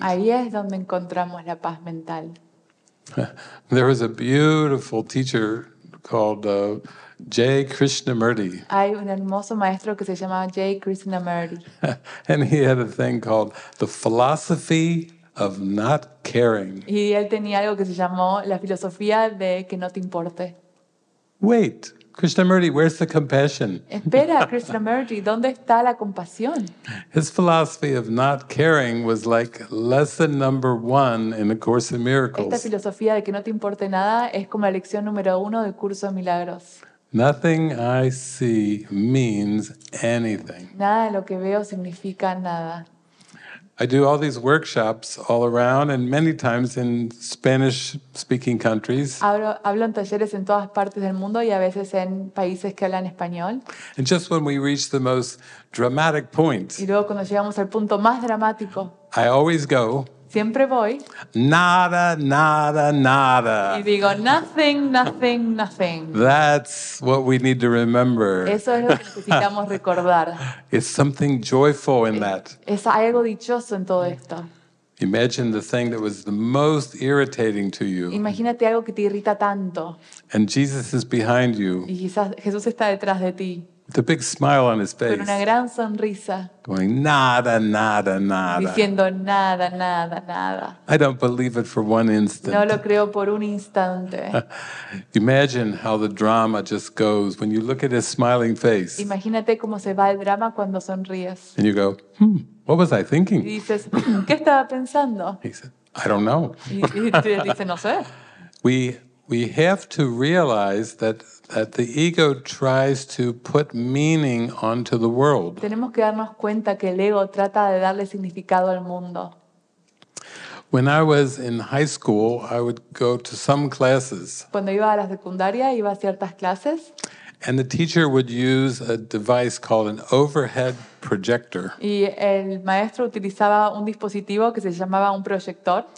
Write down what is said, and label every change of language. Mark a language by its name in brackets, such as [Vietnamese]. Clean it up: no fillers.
[Spanish] Ahí es donde encontramos la paz mental. [English] There is a beautiful teacher called Jay Krishnamurti. [Spanish] Hay un hermoso maestro que se llama Jay Krishnamurti. [English] And he had a thing called the philosophy of not caring. [Spanish] Y él tenía algo que se llamó la filosofía de que no te importe. [English] Wait, Krishnamurti, where's the compassion? [Spanish] Espera, Krishnamurti, ¿dónde está la compasión? [English] His philosophy of not caring was like lesson number one in A Course in Miracles. [Spanish] Esta filosofía de que no te importe nada es como la lección número uno del curso de milagros. [English] Nothing I see means anything. [Spanish] Nada de lo que veo significa nada. [English] I do all these workshops all around and many times in Spanish-speaking countries. [Spanish] Hablo en talleres en todas partes del mundo y a veces en países que hablan español. [English] And just when we reach the most dramatic point. [Spanish] Y luego cuando llegamos al punto más dramático. [English] I always go. [Spanish] Siempre voy. Nada, nada, nada. Y digo, [English] nothing, nothing, nothing. That's what we need to remember. [Spanish] Eso es lo que necesitamos recordar. [English] It's something joyful in that. [Spanish] Es algo dichoso en todo esto. [English] Imagine the thing that was the most irritating to you. [Spanish] Imagínate algo que te irrita tanto. [English] And Jesus is behind you. [Spanish] Y quizás Jesús está detrás de ti. [English] The big smile on his face. [Spanish] Con una gran sonrisa. [English] Going, [Spanish] nada, nada, nada. Diciendo nada, nada, nada. [English] I don't believe it for one instant. [Spanish] No lo creo por un instante. [English] Imagine how the drama just goes when you look at his smiling face. [Spanish] Imagínate cómo se va el drama cuando sonríes. [English] And you go, what was I thinking? [Spanish] Y dices, ¿qué estaba pensando? [English] He said, I don't know. [Spanish] Y dice, no sé. [English] We have to realize that the ego tries to put meaning onto the world. [Spanish] Tenemos que darnos cuenta que el ego trata de darle significado al mundo. [English] When I was in high school, I would go to some classes. [Spanish] Cuando iba a la secundaria, iba a ciertas clases. [English] And the teacher would use a device called an overhead projector. [Spanish] Y el maestro utilizaba un dispositivo que se llamaba un proyector.